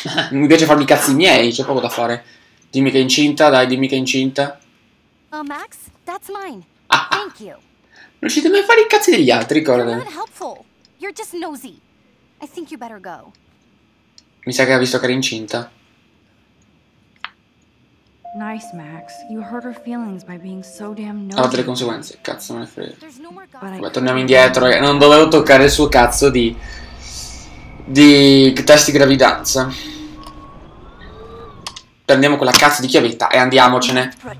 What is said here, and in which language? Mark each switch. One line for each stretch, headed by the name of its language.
Italian: Mi piace farmi i cazzi miei, c'è poco da fare. Dimmi che è incinta, dai, dimmi che è incinta.
English: Oh, Max, that's mine. Ah, thank you.
Italian: Non riuscite mai a fare i cazzi degli altri, ricorda.
English: You're just nosy. I think you better go.
Italian: Mi sa che ha visto che era incinta.
English: Nice, Max. You hurt her feelings by being so damn nosy.
Italian: Ha delle conseguenze, cazzo, non è frega. Vabbè, torniamo indietro. Non dovevo toccare il suo cazzo di test di gravidanza. Prendiamo quella cazzo di chiavetta e andiamocene.